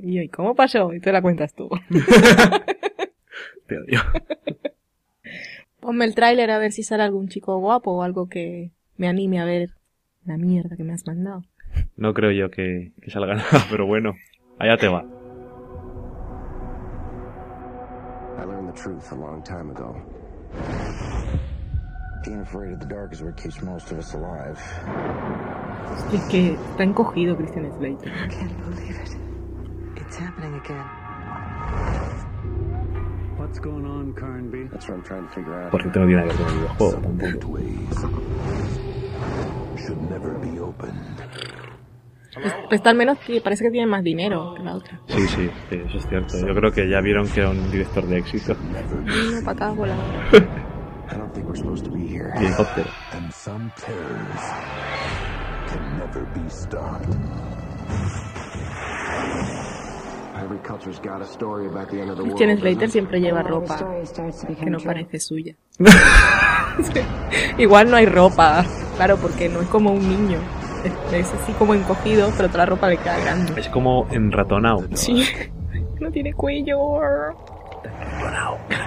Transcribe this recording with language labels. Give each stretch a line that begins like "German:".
Spanish: Y yo, ¿y cómo pasó? Y te la cuentas tú. Te odio. Ponme el tráiler a ver si sale algún chico guapo o algo que me anime a ver la mierda que me has mandado. No creo yo que salga nada, pero bueno, allá te va.
English: I learned the truth a long time ago. Being afraid of the dark is what keeps most of us alive.
Spanish: Es que está encogido Christian Slater.
English: I can't believe it. It's happening again. What's going on, Carnby? That's what I'm trying to figure out.
Spanish: Porque no tiene que ver con el videojuego tampoco.
English: Should never be opened.
Spanish: Esta al menos que parece que tiene más dinero que la otra. Sí, sí, sí, eso es cierto. Yo creo que ya vieron que era un director de éxito. Una patada volando.
English: I don't think we're supposed to be here.
Spanish: Y el hotel.
English: And some terrors can never be stopped. Every culture's got a story about the end of the world.
Spanish: Christian Slater siempre lleva ropa que no parece suya. Igual no hay ropa, claro, porque no es como un niño. Es así como encogido, pero toda la ropa le queda grande. Es como en ratonao. Sí. No tiene cuello. Ratonao.